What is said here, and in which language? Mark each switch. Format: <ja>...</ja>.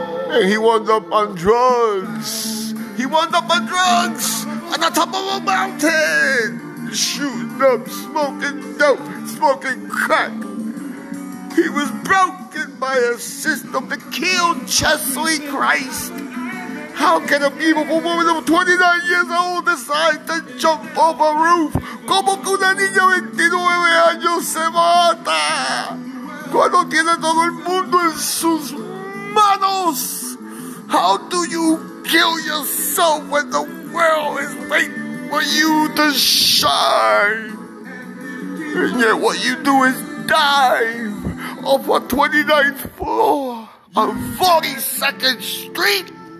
<en>And he wound up on drugs. He wound up on drugs on the top of a mountain. Shooting up, smoking dope, smoking crack. He was broken by a system that killed Chesley Christ. How can a beautiful woman of 29 years old decide to jump off a roof?</en> <es>Como que una niña 29 años se mata cuando tiene todo el mundo en sus manos?</es> <en>How do you kill yourself when the world is waiting for you to shine? And yet what you do is dive off a 29th floor on 42nd Street?</en>